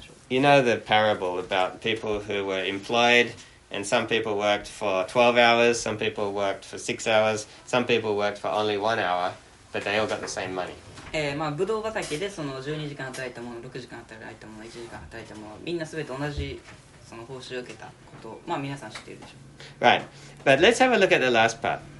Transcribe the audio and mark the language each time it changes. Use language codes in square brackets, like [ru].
[en] You know the parable about people who were employed, and some people worked for 12 hours, some people worked for 6 hours, some people worked for only 1 hour, but they all got the same money. [ja] ぶどう畑でその12時間働いたもの、6時間働いたもの、1時間働いたもの、みんなすべて同じその報酬を受けたことを、まあ、皆さん知っているでしょう。 [en] Right, but let's have a look at the last part.